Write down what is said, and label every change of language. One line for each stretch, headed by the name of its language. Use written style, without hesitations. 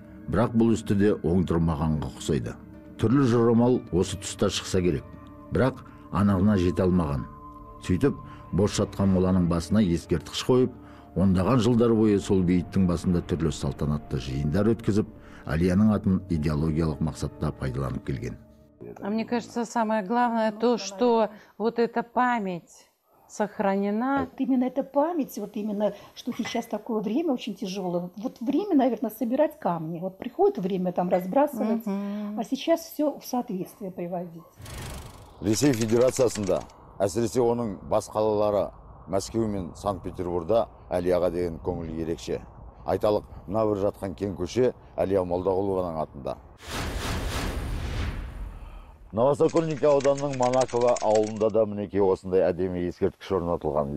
Kazakh: Бірақ бұл істі де оң тұрмағанға ұқсайды. Түрлі жорамал осы тұста шықса керек, бірақ анығына жете алмаған. Сөйтіп, бос жатқан моланың басына ескерткіш қойып, ондаған жылдар бойы сол бейіттің басында түрлі салтанатты жиындар өткізіп, Әлияның атын идеологиялық мақсатта пайдаланып келген.
Russian: А мне кажется, самое главное то, что вот эта память сохранена. Вот именно эта память, вот именно, что сейчас такое время очень тяжелое. Вот время, наверное, собирать камни. Вот приходит время там разбрасывать, а сейчас все в соответствие приводить.
Kazakh: Ресей Федерациясында, әсіресе оның бас қалалары Мәскеу мен Санкт-Петербурда Әлияға деген көңіл ерекше. Айталық, мына бір жатқан кең көше Әлия Молдағұлованың атында. Новосокольник ауданының Манакова ауылында да мінекей осындай әдемі ескерткіш орнатылған.